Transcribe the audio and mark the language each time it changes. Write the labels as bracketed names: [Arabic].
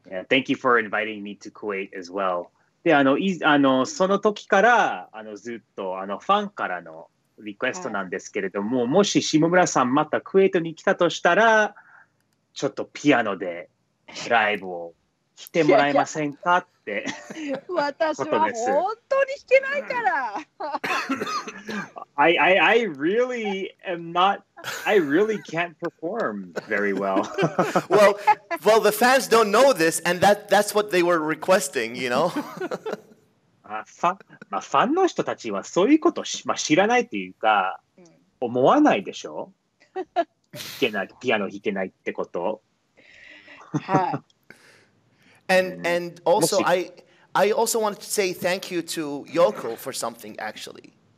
[English] Thank you for inviting me to Kuwait as well. [Japanese] で、その時から、ずっと、ファンからのリクエストなんですけれども、はい、もし下村さんまたクウェートに来たとしたら、ちょっとピアノでライブを来てもらえませんかって。いやいや私は本当に弾けないから [English] I really am not I really can't perform very well. well the fans don't know this and that's what they were requesting, you know. [Japanese] ファンの人たちはそういうこと、まあ、知らないというか思わないでしょ。弾けない、ピアノ弾けないってこと。 [English] and also I also wanted to say thank you to Yoko for something actually.